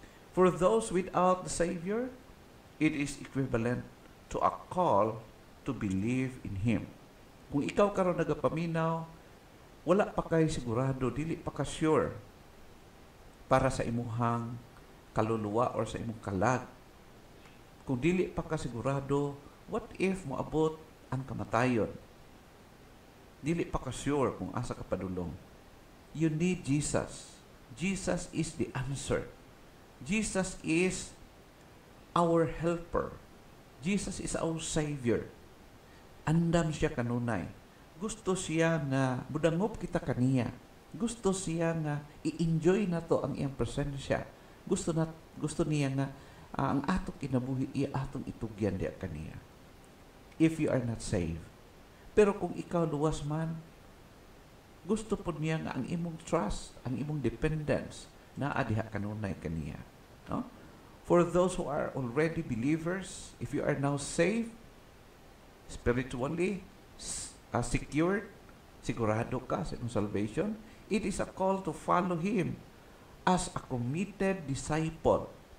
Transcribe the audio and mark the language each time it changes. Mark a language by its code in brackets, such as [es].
[en] For those without the Savior, it is equivalent to a call to believe in Him. [ceb] Kung ikaw karon nagapaminaw, wala pa kay sigurado, dili pa ka sure para sa imuhang kaluluwa or sa imong kalag. Kung dili pa ka sigurado, [en] what if [ceb] moabot ang kamatayon? Dili pa ka sure kung asa ka padulong. [en] You need Jesus. Jesus is the answer. Jesus is our helper. Jesus is our Savior. [ceb] Andam siya kanunay. Gusto siya na budangop kita kaniya. Gusto siya na i-enjoy na to ang iyang presensya. Gusto niya na ang atong kinabuhi, i-atong itugyan diya kaniya. [en] If you are not saved. [ceb] Pero kung ikaw luwas man, gusto po niya na ang imong trust, ang imong dependence, na adiha kanunay kaniya. No? [en] For those who are already believers, if you are now saved, spiritually, secured, [ceb] sigurado ka sa iyong [en] salvation, it is a call to follow Him as a committed disciple.